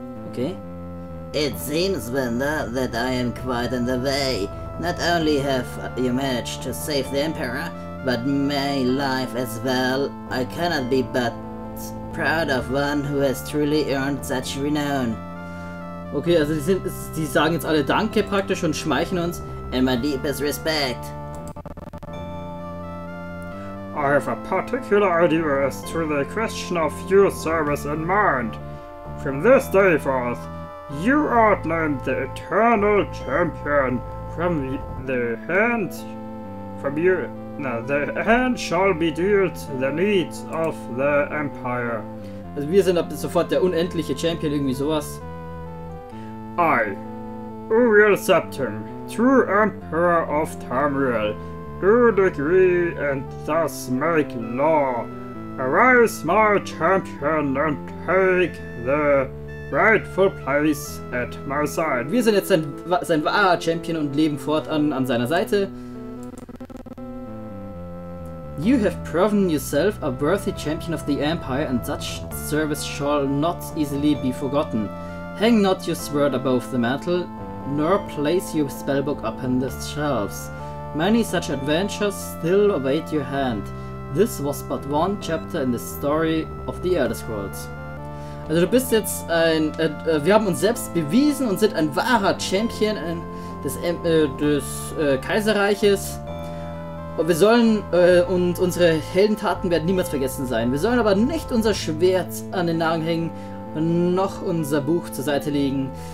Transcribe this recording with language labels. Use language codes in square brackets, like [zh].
[en] Okay. It seems, Vinda, that I am quite in the way. Not only have you managed to save the Emperor, but my life as well. I cannot be but proud of one who has truly earned such renown. [de] Okay, also die sagen jetzt alle Danke praktisch und schmeicheln uns. [en] And my deepest respect. I have a particular idea as to the question of your service in mind. From this day forth, you are named the Eternal Champion from the hands from you. Now, the hand shall be dealt the needs of the Empire. [de] Also wir sind ab sofort der unendliche Champion, irgendwie sowas. [en] I, Uriel Septim, true emperor of Tamriel, do decree and thus make law. Arise, my champion, and take the rightful place at my side. [de] Wir sind jetzt sein wahrer Champion und leben fortan an seiner Seite. [en] You have proven yourself a worthy champion of the Empire, and such service shall not easily be forgotten. Hang not your sword above the mantle, nor place your spellbook upon the shelves. Many such adventures still await your hand. This was but one chapter in the story of the Elder Scrolls. [de] Also du bist jetzt ein, wir haben uns selbst bewiesen und sind ein wahrer Champion des Kaiserreiches. Und wir sollen, und unsere Heldentaten werden niemals vergessen sein. Wir sollen aber nicht unser Schwert an den Nagel hängen, noch unser Buch zur Seite legen.